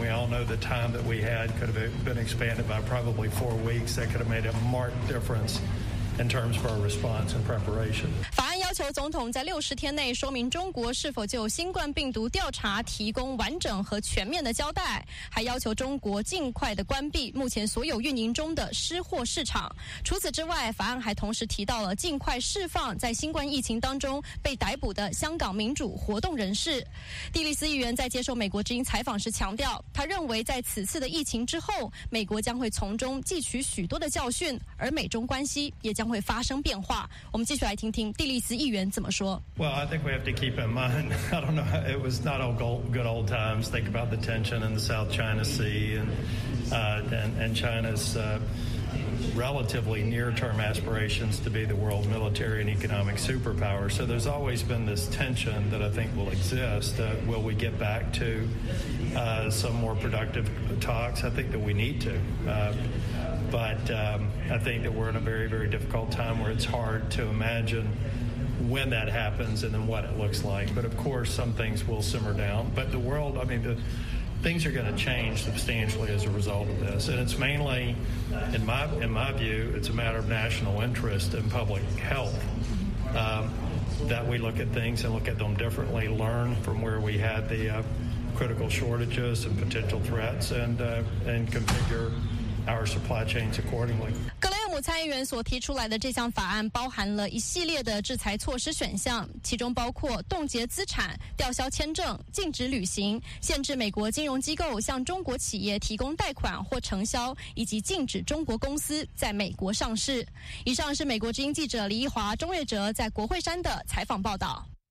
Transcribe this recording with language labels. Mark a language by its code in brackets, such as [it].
[en] We all know the time that we had could have been expanded by probably 4 weeks. That could have made a marked difference in terms of our response and preparation. [zh] 要求总统在60天内说明中国是否就新冠病毒调查提供完整和全面的交代，还要求中国尽快的关闭目前所有运营中的失货市场。除此之外，法案还同时提到了尽快释放在新冠疫情当中被逮捕的香港民主活动人士。蒂利斯议员在接受美国之音采访时强调，他认为在此次的疫情之后，美国将会从中汲取许多的教训，而美中关系也将会发生变化。我们继续来听听蒂利斯议员怎么说? [en] Well, I think we have to keep in mind, I don't know, it was not all good old times. Think about the tension in the South China Sea and China's relatively near-term aspirations to be the world military and economic superpower. So there's always been this tension that I think will exist. Will we get back to some more productive talks? I think that we need to. But I think that we're in a very, very difficult time where it's hard to imagine when that happens and then what it looks like. But of course, some things will simmer down. But the world, I mean, the things are going to change substantially as a result of this. And it's mainly, in my view, it's a matter of national interest and public health that we look at things and look at them differently, learn from where we had the critical shortages and potential threats and configure our supply chains accordingly. [zh] 参议员所提出来的这项法案包含了一系列的制裁措施选项，其中包括冻结资产、吊销签证、禁止旅行、限制美国金融机构向中国企业提供贷款或承销，以及禁止中国公司在美国上市。以上是美国之音记者李一华、钟瑞哲在国会山的采访报道。